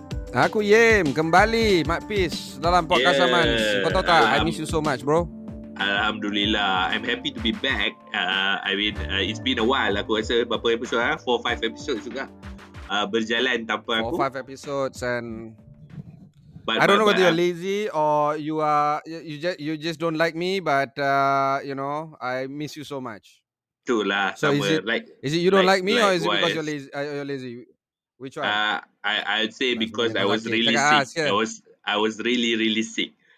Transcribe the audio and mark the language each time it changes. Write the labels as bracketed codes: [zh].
[ms] Aku Yem, kembali Mat Pis dalam podcast Amans. [en] Kau tahu tak, I miss you so much bro. Alhamdulillah, I'm happy to be back. It's been a while. Aku rasa berapa episode? [ms] 4-5 episode juga berjalan tanpa aku. [en] 4-5 episodes and... I don't know whether you're lazy or you just don't like me, but you know, I miss you so much. [ms] Itulah. [en] So is it you don't like me or is it because you're lazy? Which one? I'd say because I was really sick. I was really really sick.